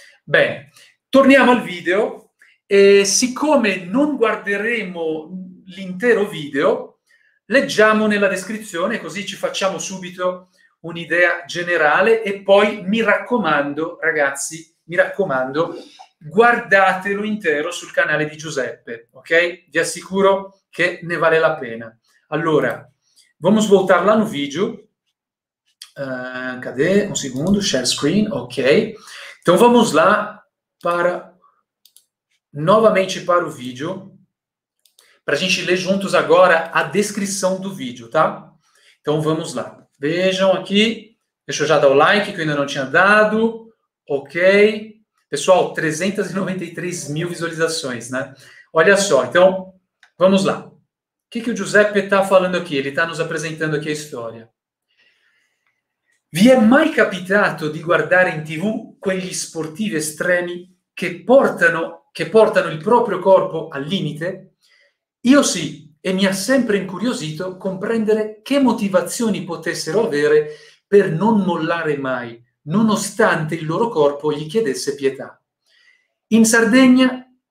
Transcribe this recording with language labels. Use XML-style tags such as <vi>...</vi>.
<it>Bene, torniamo al video. E siccome non guarderemo l'intero video, leggiamo nella descrizione, così ci facciamo subito un'idea generale e poi mi raccomando, ragazzi, mi raccomando, guardatelo intero sul canale di Giuseppe, ok? Vi assicuro che ne vale la pena.</it> <pt>Allora, vamos voltar lá no vídeo. Cadê?</pt> <it>Un secondo,</it> <en>share screen,</en> <pt>ok. Então vamos lá para... Novamente para o vídeo, para a gente ler juntos agora a descrição do vídeo, tá? Então vamos lá. Vejam aqui, deixa eu já dar o like que eu ainda não tinha dado, ok? Pessoal, 393 mil visualizações, né? Olha só, então vamos lá. O que, que o Giuseppe está falando aqui? Ele está nos apresentando aqui a história.</pt> <it>Vi è mai capitato di guardare in TV quegli sportivi estremi che portano il proprio corpo al limite? Io sì, e mi ha sempre incuriosito comprendere che motivazioni potessero avere per non mollare mai, nonostante il loro corpo gli chiedesse pietà. In Sardegna...</it>